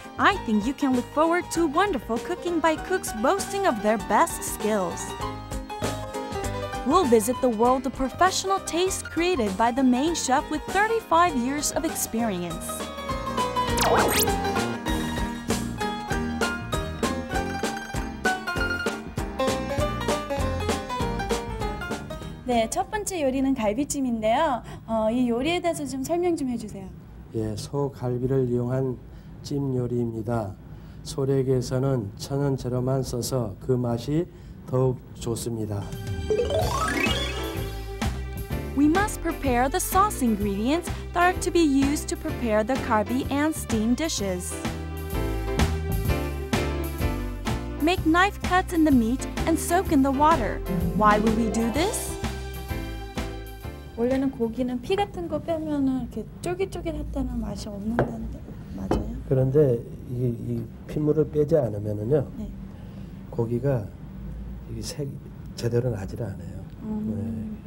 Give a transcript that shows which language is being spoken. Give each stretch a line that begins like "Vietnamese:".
English: I think you can look forward to wonderful cooking by cooks boasting of their best skills. We'll visit the world of professional taste created by the main chef with 35 years of experience.
Korean: (목소리) 네, 첫 번째 요리는 갈비찜인데요. 이 요리에 대해서 좀 설명 좀 해주세요. 예, 소 갈비를 이용한 찜 요리입니다. 소래기에서는 천연 재료만 써서 그 맛이 더욱 좋습니다.
English: We must prepare the sauce ingredients that are to be used to prepare the galbi and steam dishes. Make knife cuts in the meat and soak in the water. Why will we do this?
Korean: 원래는 고기는 피 같은 거 빼면은 이렇게 쫄깃쫄깃했다는 맛이 없는데 맞아요? 그런데 이 핏물을 빼지 않으면은요 네. 고기가 이게 색 제대로 나질 않아요. 네.